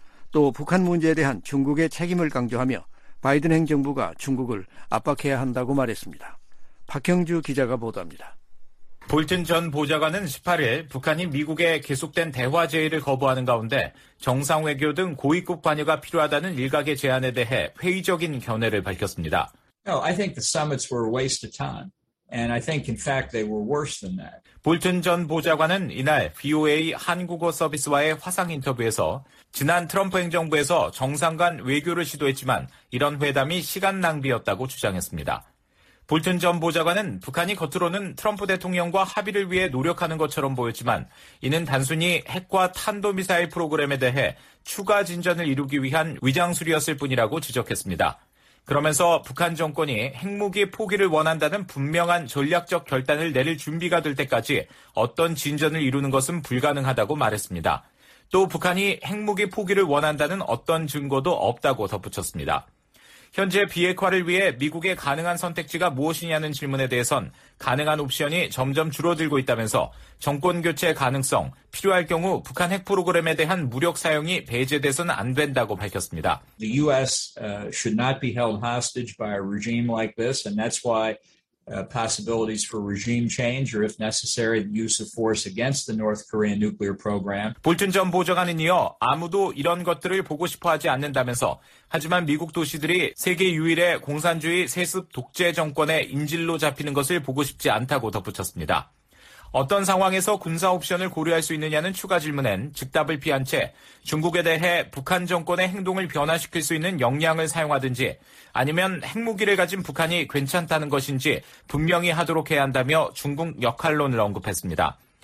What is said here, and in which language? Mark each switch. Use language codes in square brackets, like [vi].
[ko] 또 북한 문제에 대한 중국의 책임을 강조하며 바이든 행정부가 중국을 압박해야 한다고 말했습니다. 박형주 기자가 보도합니다. 볼튼 전 보좌관은 18일 북한이 미국의 계속된 대화 제의를 거부하는 가운데 정상 외교 등 고위급 관여가 필요하다는 일각의 제안에 대해 회의적인 견해를 밝혔습니다. [en] No, I think the summits were a waste of time. And I think, in fact, they were worse than that. [ko] 볼튼 전 보좌관은 이날 VOA 한국어 서비스와의 화상 인터뷰에서 지난 트럼프 행정부에서 정상 간 외교를 시도했지만 이런 회담이 시간 낭비였다고 주장했습니다. 볼튼 전 보좌관은 북한이 겉으로는 트럼프 대통령과 합의를 위해 노력하는 것처럼 보였지만 이는 단순히 핵과 탄도미사일 프로그램에 대해 추가 진전을 이루기 위한 위장술이었을 뿐이라고 지적했습니다. 그러면서 북한 정권이 핵무기 포기를 원한다는 분명한 전략적 결단을 내릴 준비가 될 때까지 어떤 진전을 이루는 것은 불가능하다고 말했습니다. 또 북한이 핵무기 포기를 원한다는 어떤 증거도 없다고 덧붙였습니다. 현재 비핵화를 위해 미국의 가능한 선택지가 무엇이냐는 질문에 대해선 가능한 옵션이 점점 줄어들고 있다면서 정권교체 가능성, 필요할 경우 북한 핵 프로그램에 대한 무력 사용이 배제돼서는 안 된다고 밝혔습니다. [en] The U.S. should not be held hostage by a regime like this, and that's why possibilities for regime change or if necessary the use of force against the North Korean nuclear program. [ko] 볼튼 전 보좌관은 이어 아무도 이런 것들을 보고 싶어 하지 않는다면서 하지만 미국 도시들이 세계 유일의 공산주의 세습 독재 정권의 인질로 잡히는 것을 보고 싶지 않다고 덧붙였습니다. 어떤 상황에서 군사 옵션을 고려할 수 있느냐는 추가 질문엔 즉답을 피한 채 중국에 대해 북한 정권의 행동을 변화시킬 수 있는 역량을 사용하든지 아니면 핵무기를 가진 북한이 괜찮다는 것인지 분명히 하도록 해야 한다며 중국 역할론을 언급했습니다.